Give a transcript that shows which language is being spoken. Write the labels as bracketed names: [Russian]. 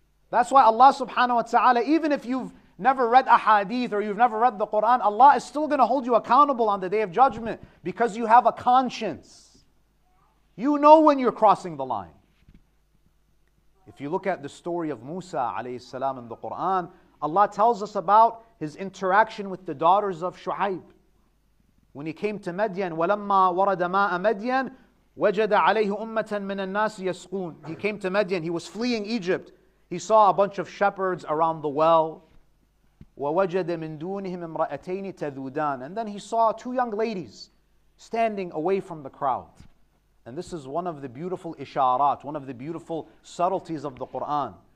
[English] That's why Allah subhanahu wa ta'ala, even if you've never read a hadith or you've never read the Quran, Allah is still going to hold you accountable on the Day of Judgment because you have a conscience. You know when you're crossing the line. If you look at the story of Musa alayhi salam in the Quran, Allah tells us about his interaction with the daughters of Shu'aib. When he came to Madian, [Arabic] وَلَمَّا وَرَدَ مَاءَ مَدْيَنْ وَجَدَ عَلَيْهُ أُمَّةً مِنَ النَّاسِ يَسْقُونَ. [English] He came to Madian, he was fleeing Egypt. He saw a bunch of shepherds around the well. [Arabic] وَوَجَدَ مِنْ دُونِهِمْ امْرَأَتَيْنِ تَذُودَانَ. [English] And then he saw two young ladies standing away from the crowd. And this is one of the beautiful isharat, one of the beautiful subtleties of the Quran.